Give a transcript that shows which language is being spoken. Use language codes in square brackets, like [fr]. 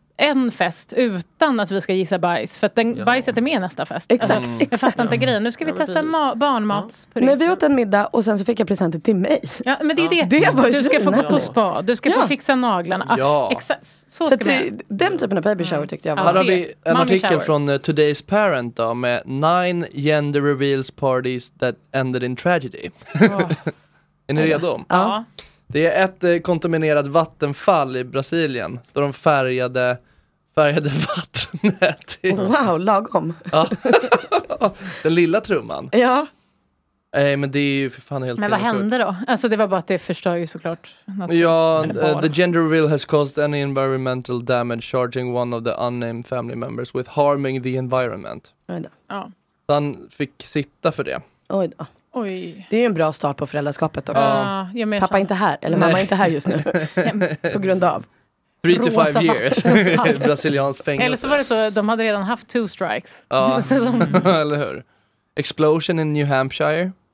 [sv] En fest utan att vi ska gissa bajs. För att bajset är med nästa fest. Exakt. Jag fattar inte grejen. Nu ska vi testa barnmat. Ja. Nej, vi åt en middag och sen så fick jag presenter till mig. Ja, men det är det. Var du ska få gå på spa. Du ska få fixa naglarna. Ja. Den typen av baby shower tyckte jag var. Här har vi en artikel från Today's Parent då. Med [en] 9 gender reveals parties that ended in tragedy. [sv] Är ni redo? Ja. Det är ett kontaminerat vattenfall i Brasilien då de färgade vattnet. Wow, lagom. Ja. Den lilla trumman. Ja. Men det är ju för fan helt. Men vad hände då? Alltså det var bara att det förstör ju såklart. [en] Ja, the gender reveal has caused any environmental damage charging one of the unnamed family members with harming the environment. [sv] Ja. Han fick sitta för det. Oj då. Oj. Det är ju en bra start på föräldraskapet också. Ja, pappa känner. Inte här, eller mamma inte här just nu. På grund av 3-5 [en] years [sv] brasiliansk fängelse. Eller så var det så, de hade redan haft 2 strikes. Ja. Eller hur? [en] Explosion in New Hampshire.